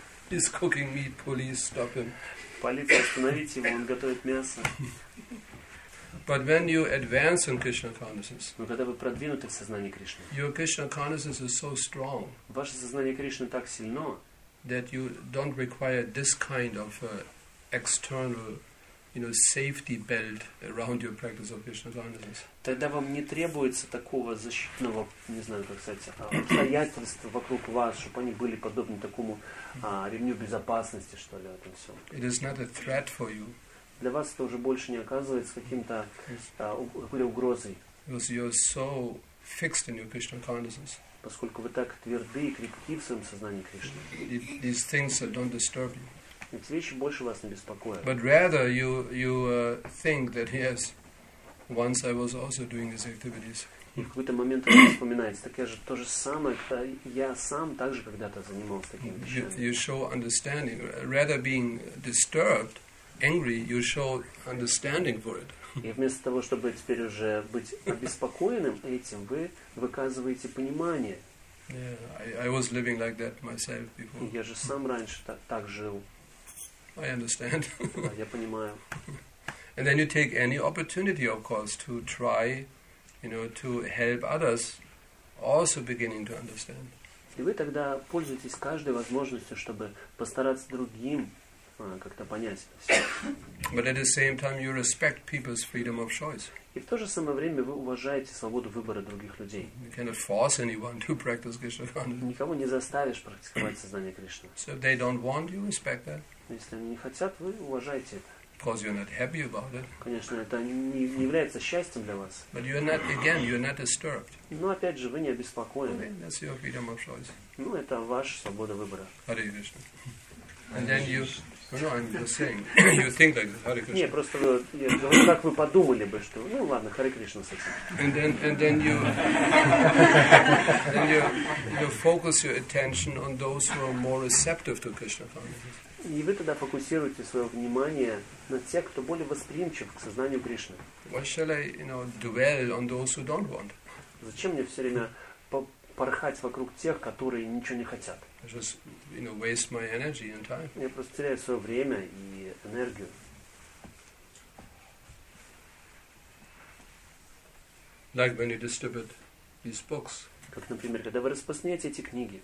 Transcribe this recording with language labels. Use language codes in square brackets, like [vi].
[en] He's cooking meat, police, stop him. [ru] Полиция, остановите его, он готовит мясо. [en] But when you advance in Krishna consciousness, [ru] но когда вы продвинуты в сознании Кришны, [en] your Krishna consciousness is so strong, [ru] ваше сознание Кришны так сильно, [en] that you don't require this kind of external, you know, safety belt around your practice of Krishna consciousness. [ru] Тогда вам не требуется такого защитного, не знаю, как сказать, обстоятельства вокруг вас, чтобы они были подобны такому ремню безопасности, что ли, этом всем. [en] It is not a threat for you. [ru] Для вас это уже больше не оказывается каким-то какой-то угрозой. [en] Because you're so fixed in your Krishna consciousness. [ru] Поскольку вы так тверды и крепки в своем сознании Кришны. [en] These things don't disturb you. [ru] Эти вещи больше вас не беспокоят. [en] But rather you think that yes, once I was also doing these activities. [ru] И в какой-то момент вы вспоминаете, так я же то же самое, когда я сам также когда-то занимался такими вещами. [en] You show understanding, rather being disturbed, angry, you show understanding for it. [ru] И вместо того, чтобы теперь уже быть обеспокоенным этим, вы выказываете понимание. [en] Yeah, I was living like that myself before. [ru] Я же сам раньше так жил. [en] I understand. [ru] Я понимаю. [en] And then you take any opportunity, of course, to try, you know, to help others also beginning to understand. [ru] И вы тогда пользуетесь каждой возможностью, чтобы постараться другим как-то понять это все. [en] But at the same time you respect people's freedom of choice. [ru] И в то же самое время вы уважаете свободу выбора других людей. [en] You cannot force anyone to practice Krishna consciousness. [ru] Никого не заставишь практиковать сознание Кришны. [en] So if they don't want, you respect that. [ru] Если они не хотят, вы уважаете это. [en] Because you're not happy about it. [ru] Конечно, это не является счастьем для вас. [en] But you're not, again, you're not disturbed. [ru] Но опять же, вы не обеспокоены. [en] Okay, that's your freedom of choice. [ru] Ну, это ваша свобода выбора. [en] Hare Krishna. And then you... No, I'm just saying. You think like that, Hare Krishna. [ru] Не, просто вы, я говорю, как вы подумали бы, что... Ну, ладно, Hare Krishna, совсем. [en] And then you... then you focus your attention on those who are more receptive to Krishna consciousness. [ru] И вы тогда фокусируете свое внимание на тех, кто более восприимчив к сознанию Кришны. [en] Why shall I, you know, dwell on those who don't want? [ru] Зачем мне все время порхать вокруг тех, которые ничего не хотят? [en] I just, you know, waste my energy and time. [ru] Я просто теряю свое время и энергию. [en] Like when you distribute these books. [ru] Как, например, когда вы распространяете эти книги.